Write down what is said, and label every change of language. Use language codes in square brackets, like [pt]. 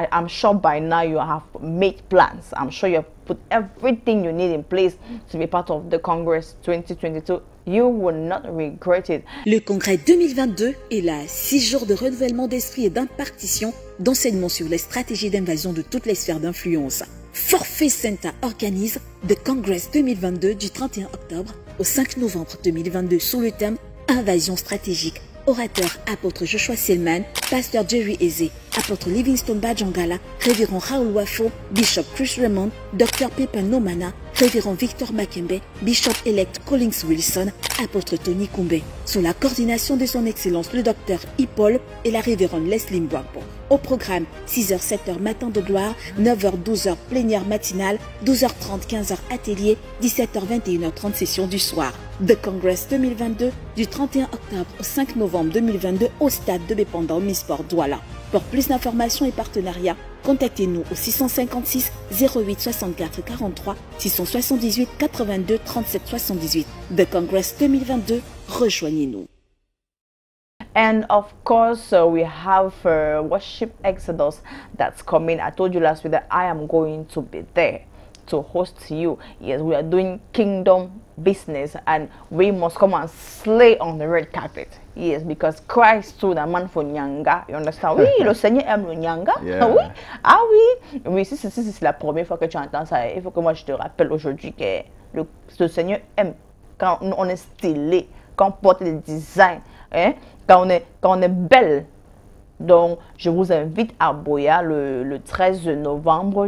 [en] I'm sure by now you have made plans. I'm sure you have put everything you need in place to be part of the Congress 2022. You will not regret it. [fr] Le congrès 2022 est là. 6 jours de renouvellement d'esprit et d'impartition, d'enseignement sur les stratégies d'invasion de toutes les sphères d'influence. Forfait Santa organise The Congress 2022 du 31 octobre au 5 novembre 2022 sous le thème Invasion stratégique. Orateur apôtre Joshua Selman, pasteur Jerry Eze, apôtre Livingstone Badjangala, révérend Raoul Wafo, bishop Chris Raymond, docteur Pepa Nomana, révérend Victor Makembe, bishop elect Collins Wilson, apôtre Tony Kumbe, sous la coordination de son excellence le docteur Hippol et la révérende Leslie Mbwapo. Au programme, 6h, 7h matin de gloire, 9h, 12h plénière matinale, 12h30, 15h atelier, 17h, 21h 30 session du soir. The Congress 2022, du 31 octobre au 5 novembre 2022, au stade de Bépendant Omnisports Douala. Pour plus d'informations et partenariats, contactez-nous au 656 08 64 43 678 82 37 78. The Congress 2022, rejoignez-nous. [en] And of course, we have Worship Exodus that's coming. I told you last week that I am going to be there to host you. Yes, we are doing kingdom business and we must come and slay on the red carpet. Yes, because Christ too, the man for nyanga, you understand? [fr] Oui, le Seigneur aime le nyanga. [en] Yeah. [fr] Oui, ah oui. Oui, si c'est la première fois que tu entends ça, il faut que moi je te rappelle aujourd'hui que le Seigneur aime quand on est stylé, quand on porte des designs, hein, quand on est belle. Donc, je vous invite à Boya le 13 novembre.